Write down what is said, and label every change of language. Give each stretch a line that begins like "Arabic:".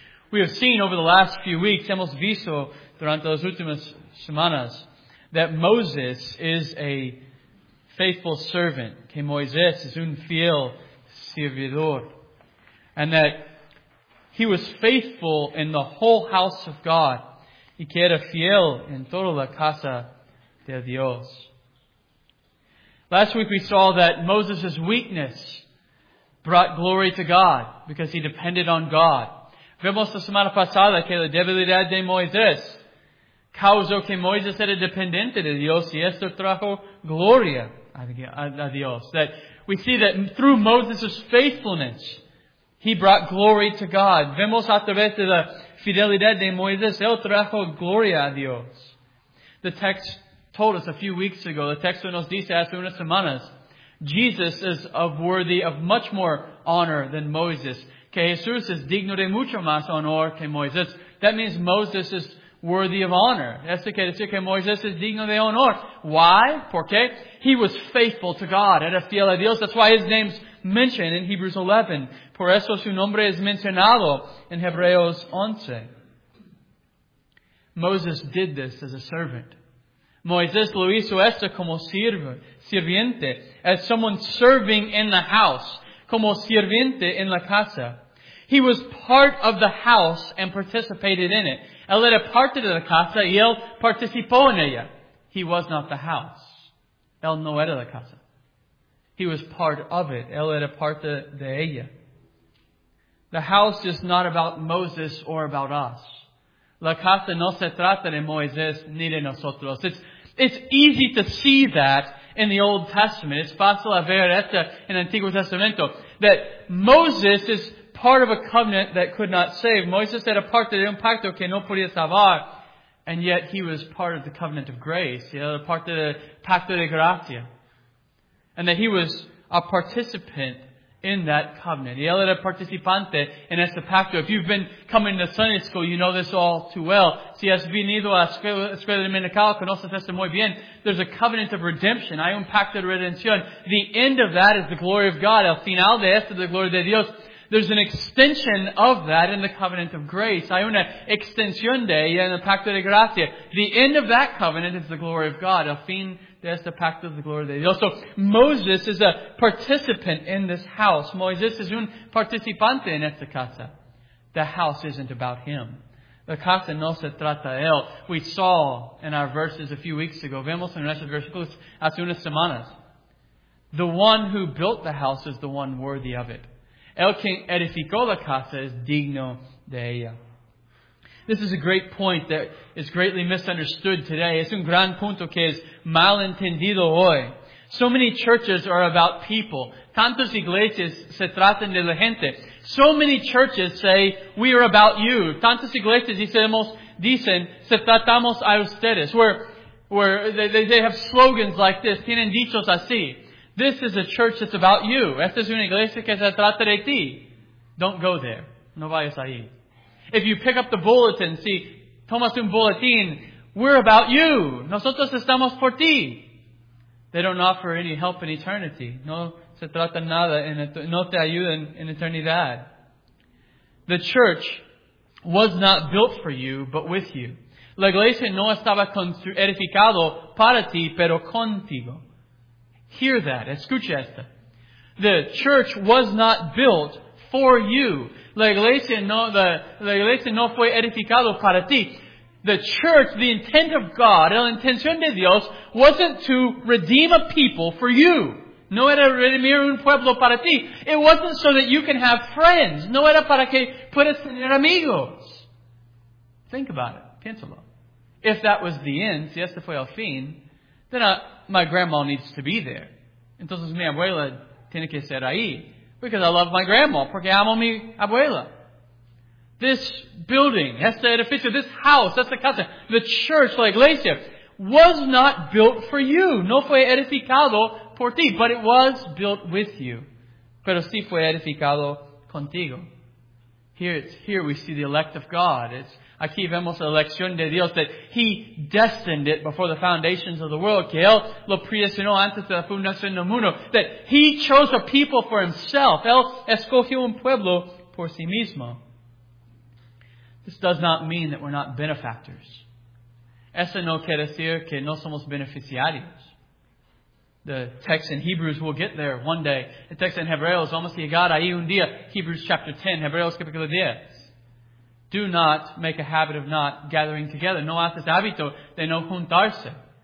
English: We have seen over the last few weeks,
Spanish: hemos visto durante las últimas semanas,
English: that Moses is a faithful servant,
Spanish: que Moisés es un fiel servidor,
English: and that he was faithful in the whole house of God.
Spanish: Y que era fiel en toda la casa de Dios.
English: Last week we saw that Moses' weakness brought glory to God because he depended on God.
Spanish: Vemos la semana pasada que la debilidad de Moisés causó que Moisés era dependiente de Dios y esto trajo gloria a Dios.
English: That we see that through Moses' faithfulness, he brought glory to God.
Spanish: Vemos a través de la fidelidad de Moisés, él trajo gloria a Dios.
English: The text told us a few weeks ago, the
Spanish: texto nos dice hace unas semanas,
English: Jesus is worthy of much more honor than Moses.
Spanish: Que Jesús es digno de mucho más honor que Moisés.
English: That means Moses is worthy of honor.
Spanish: Esto quiere decir que Moisés es digno de honor.
English: Why?
Spanish: ¿Por qué?
English: He was faithful to God.
Spanish: Era fiel a Dios.
English: That's why his name's mentioned in Hebrews 11.
Spanish: Por eso su nombre es mencionado en Hebreos 11.
English: Moses did this as a servant.
Spanish: Moisés lo hizo esto como sirviente.
English: As someone serving in the house.
Spanish: Como sirviente en la casa.
English: He was part of the house and participated in it.
Spanish: Él era parte de la casa y él participó en ella.
English: He was not the house.
Spanish: Él no era la casa.
English: He was part of it.
Spanish: Él era parte de ella.
English: The house is not about Moses or about us.
Spanish: La casa no se trata de Moisés ni de nosotros.
English: It's easy to see that in the Old Testament.
Spanish: Es fácil ver esto en el Antiguo Testamento.
English: That Moses is part of a covenant that could not save.
Spanish: Moisés era parte de un pacto que no podía salvar.
English: And yet he was part of the covenant of grace. He
Spanish: era parte del pacto de gracia.
English: And that he was a participant in that covenant.
Spanish: Y él era participante en ese pacto.
English: If you've been coming to Sunday school, you know this all too well.
Spanish: Si has venido a escuela dominical, conoces esto muy bien.
English: There's a covenant of redemption.
Spanish: Hay un pacto de redención.
English: The end of that is the glory of God.
Spanish: El final de esto es la gloria de Dios.
English: There's an extension of that in the covenant of grace.
Spanish: Hay una extensión de ella en el pacto de gracia.
English: The end of that covenant is the glory of God.
Spanish: El fin de este pacto es la gloria de Dios.
English: So Moses is a participant in this house.
Spanish: Moisés es un participante en esta casa.
English: The house isn't about him.
Spanish: La casa no se trata de él.
English: We saw in our verses a few weeks ago,
Spanish: vemos en nuestros versículos hace unas semanas,
English: the one who built the house is the one worthy of it.
Spanish: El que edificó la casa es digno de ella.
English: This is a great point that is greatly misunderstood today.
Spanish: Es un gran punto que es mal entendido hoy.
English: So many churches are about people.
Spanish: Tantas iglesias se tratan de la gente.
English: So many churches say, we are about you.
Spanish: Tantas iglesias dicen, se tratamos a ustedes.
English: They have slogans like this.
Spanish: Tienen dichos así.
English: This is a church that's about you.
Spanish: Esta es una iglesia que se trata de ti.
English: Don't go there.
Spanish: No vayas ahí.
English: If you pick up the bulletin, see,
Spanish: tomas un bulletin,
English: we're about you.
Spanish: Nosotros estamos por ti.
English: They don't offer any help in eternity.
Spanish: No se trata nada, no te ayudan en eternidad.
English: The church was not built for you, but with you.
Spanish: La iglesia no estaba edificado para ti, pero contigo.
English: Hear that.
Spanish: Escucha esta.
English: The church was not built for you.
Spanish: La iglesia no fue edificado para ti.
English: The church, the intent of God,
Spanish: la intención de Dios,
English: wasn't to redeem a people for you.
Spanish: No era redimir un pueblo para ti.
English: It wasn't so that you can have friends.
Spanish: No era para que puedas tener amigos.
English: Think about it.
Spanish: Piénsalo.
English: If that was the end,
Spanish: si este fue el fin,
English: then my grandma needs to be there.
Spanish: Entonces mi abuela tiene que ser ahí.
English: Because I love my grandma,
Spanish: porque amo mi abuela.
English: This building,
Spanish: esta edificio,
English: this house,
Spanish: esta casa,
English: the church,
Spanish: la iglesia,
English: was not built for you.
Spanish: No fue edificado por ti,
English: but it was built with you.
Spanish: Pero sí fue edificado contigo.
English: Here we see the elect of God. It's
Spanish: aquí vemos la elección de Dios,
English: that He destined it before the foundations of the world,
Spanish: que Él lo predestinó antes de la fundación del mundo,
English: that He chose a people for Himself.
Spanish: Él escogió un pueblo por sí mismo.
English: This does not mean that we're not benefactors.
Spanish: Eso no quiere decir que no somos beneficiarios.
English: The text in Hebrews will get there one day. The text in
Spanish: Hebreos, vamos a llegar ahí un día.
English: Hebrews chapter 10,
Spanish: Hebreos capítulo 10.
English: Do not make a habit of not gathering together.
Spanish: No haces hábito de no juntarse.